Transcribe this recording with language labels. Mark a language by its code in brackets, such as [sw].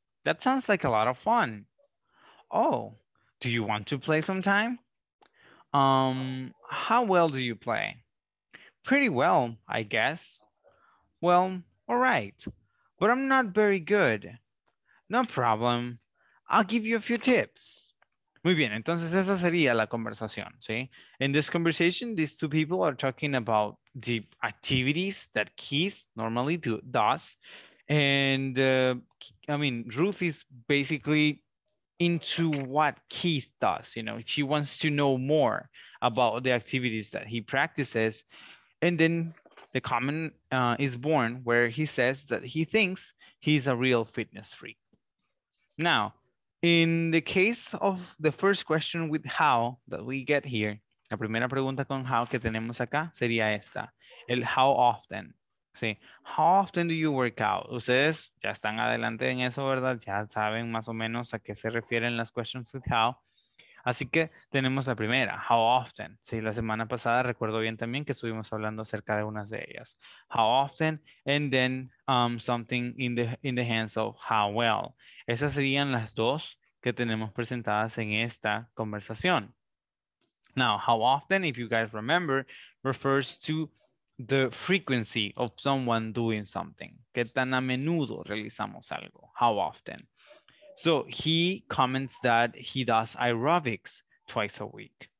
[en] That sounds like a lot of fun. Oh, do you want to play sometime? How well do you play? Pretty well, I guess. Well, all right, but I'm not very good. No problem. I'll give you a few tips. [es] Muy bien, entonces esa sería la conversación, ¿sí? [en] In this conversation, these two people are talking about the activities that Keith normally does. And I mean, Ruth is basically into what Keith does, you know? She wants to know more about the activities that he practices. And then the comment is born where he says that he thinks he's a real fitness freak. Now, in the case of the first question with how that we get here, [es] la primera pregunta con how que tenemos acá sería esta, el how often. ¿Sí? [en] How often do you work out? [es] Ustedes ya están adelante en eso, ¿verdad? Ya saben más o menos a qué se refieren las questions with how. Así que tenemos la primera, how often. ¿Sí? La semana pasada recuerdo bien también que estuvimos hablando acerca de unas de ellas. [en] How often, and then something in the hands of how well. [es] Esas serían las dos que tenemos presentadas en esta conversación. [en] Now, how often, if you guys remember, refers to the frequency of someone doing something. [es] ¿Qué tan a menudo realizamos algo? [en] How often? So he comments that he does aerobics twice a week.